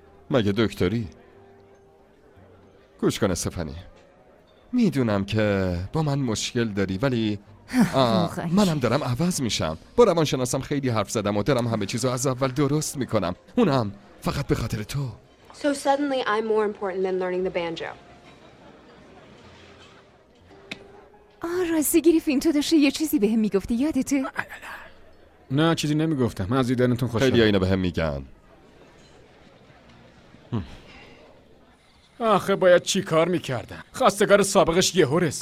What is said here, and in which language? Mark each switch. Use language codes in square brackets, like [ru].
[fa] مگه دکتری؟ گوش کن استفانی، میدونم که با من مشکل داری، ولی منم دارم عوض میشم. با روانشناسم خیلی حرف زدم و دارم همه چیزو از اول درست میکنم، اونم فقط به خاطر تو. [en] So suddenly I'm more important than learning the banjo. [fa] راستی گریفین، تو داشتی یه چیزی بهم میگفتی، یادته؟ نه چیزی نمیگفتم، از دیدنتون خوشحالم. خیلی اینو بهم میگن. آخه باید چی کار میکردم؟ خواستگار سابقش یه هورست.